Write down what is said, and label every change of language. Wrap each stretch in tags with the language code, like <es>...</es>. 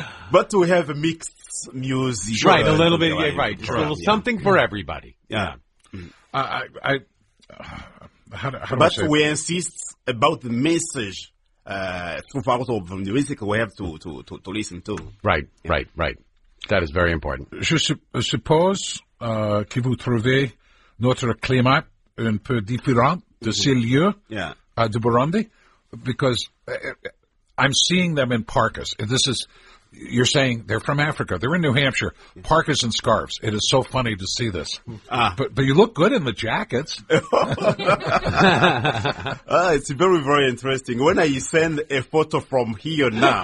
<en>But we have a mixed music. Sure. Right, a little bit. Yeah, right. Sure. A little something for everybody. Yeah. How do I say we insist about the message throughout of the music we have to listen to. Right, yeah. right. That is very important.</en> <fr>Je suppose que vous trouvez notre climat un peu différent de ces lieux de Burundi,</fr> <en>because I'm seeing them in parkas. This is... You're saying they're from Africa. They're in New Hampshire. Parkas and scarves. It is so funny to see this. But you look good in the jackets. It's very, very interesting. When I send a photo from here now.</en>